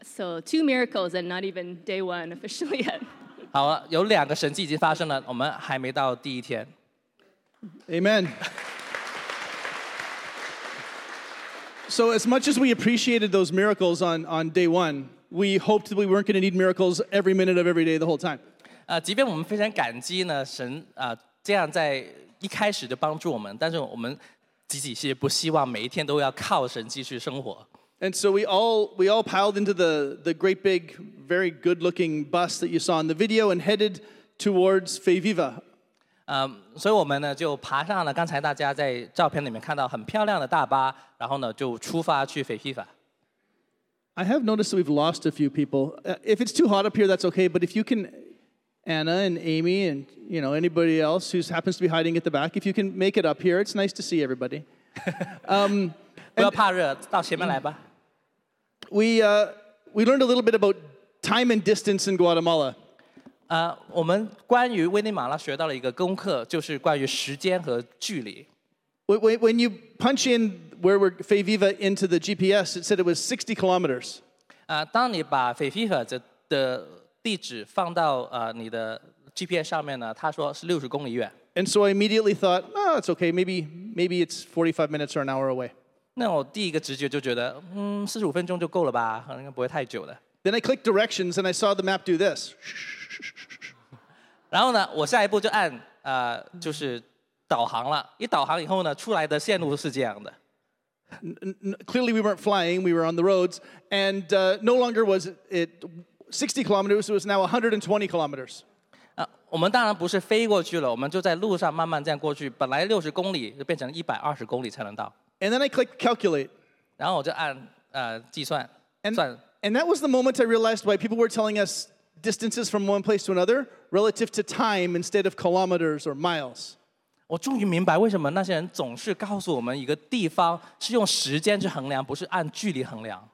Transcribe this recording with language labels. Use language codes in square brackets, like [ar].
[en] so two miracles and not even day one officially yet. [zh] 好了，有两个神迹已经发生了，我们还没到第一天。Amen. [en] So as much as we appreciated those miracles on day one, we hoped that we weren't going to need miracles every minute of every day the whole time. [zh] 即便我们非常感激呢，神这样在一开始就帮助我们，但是我们自己其实不希望每一天都要靠神继续生活。 [en] And so we all piled into the great big, very good-looking bus that you saw in the video and headed towards Fayviva. [zh] 所以我们呢就爬上了刚才大家在照片里面看到很漂亮的大巴，然后呢就出发去Fayviva。 [en] I have noticed that we've lost a few people. If it's too hot up here, that's okay. But if you can, Anna and Amy and, you know, anybody else who happens to be hiding at the back, if you can make it up here, it's nice to see everybody. [zh] 不要怕热，到前面来吧。 [en] We learned a little bit about time and distance in Guatemala. [zh] 我们关于危地马拉学到了一个功课，就是关于时间和距离。 [en] When you punch in where we're Fayviva into the GPS, it said it was 60 kilometers. [zh] 当你把Fayviva的地址放到你的 GPS 上面呢，他说是60公里远。 [en] And so I immediately thought, oh, it's okay. Maybe it's 45 minutes or an hour away. [zh] 那我第一个直觉就觉得，45分钟就够了吧，应该不会太久的。 [en] Then I clicked directions and I saw the map do this. [zh] 然后呢，我下一步就按就是导航了。一导航以后呢，出来的线路是这样的。 [en] clearly we weren't flying, we were on the roads, and no longer was it 60 kilometers, it was now 120 kilometers. [zh] 我们当然不是飞过去了，我们就在路上慢慢这样过去。本来 60公里 就变成120公里 才能到。 [en] And then I clicked calculate. [zh] 然后我就按 计算, [en] and that was the moment I realized why people were telling us distances from one place to another relative to time instead of kilometers or miles. [zh] 我终于明白为什么那些人总是告诉我们一个地方是用时间去衡量，不是按距离衡量。